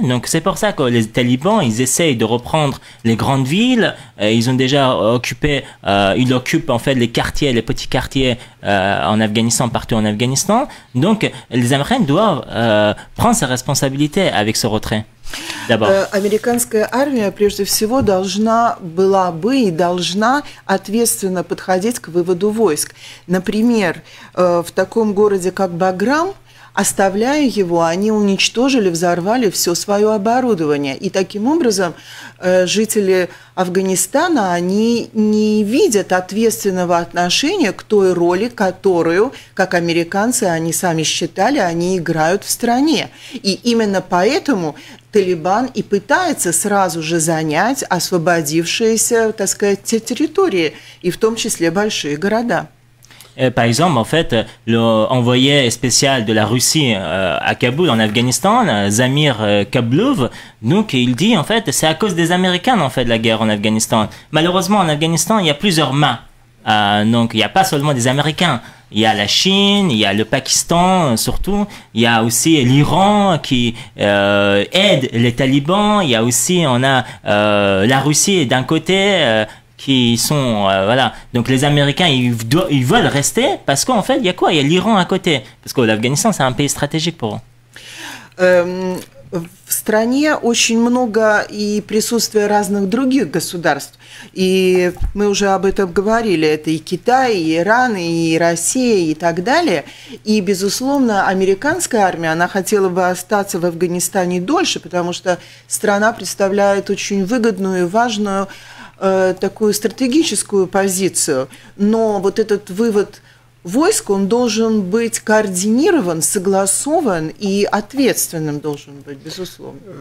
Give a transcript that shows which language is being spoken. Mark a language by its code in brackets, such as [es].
[fr] Donc, c'est pour ça que les talibans, ils essayent de reprendre les grandes villes. Ils ont déjà occupé, ils occupent en fait les quartiers, les petits quartiers en Afghanistan, partout en Afghanistan. Donc, les Américains doivent prendre ses responsabilités avec ce retrait. [ru] Американская армия, прежде всего, должна была бы и должна ответственно подходить к выводу войск. Например, в таком городе, как Баграм, оставляя его, они уничтожили, взорвали все свое оборудование. И таким образом жители Афганистана, они не видят ответственного отношения к той роли, которую, как американцы, они сами считали, они играют в стране. И именно поэтому Талибан и пытается сразу же занять освободившиеся, так сказать, территории, и в том числе большие города. [fr] Par exemple, en fait, l'envoyé spécial de la Russie à Kaboul, en Afghanistan, Zamir Kabloov, donc il dit, en fait, c'est à cause des Américains, en fait, la guerre en Afghanistan. Malheureusement, en Afghanistan, il y a plusieurs mains. Donc, il n'y a pas seulement des Américains. Il y a la Chine, il y a le Pakistan, surtout. Il y a aussi l'Iran qui aide les talibans. Il y a aussi, on a la Russie d'un côté... qui sont, voilà, donc les Américains, ils veulent rester, parce qu'en fait, il y a quoi? Il y a l'Iran à côté, parce que l'Afghanistan, c'est un pays stratégique pour eux. [ru] В стране очень много и присутствия разных других государств. И мы уже об этом говорили. Это и Китай, и Иран, и Россия, и так далее. И, безусловно, американская армия, она хотела бы остаться в Афганистане дольше, потому что страна представляет очень выгодную и важную такую стратегическую позицию, но вот этот вывод войск, он должен быть координирован, согласован и ответственным должен быть, безусловно.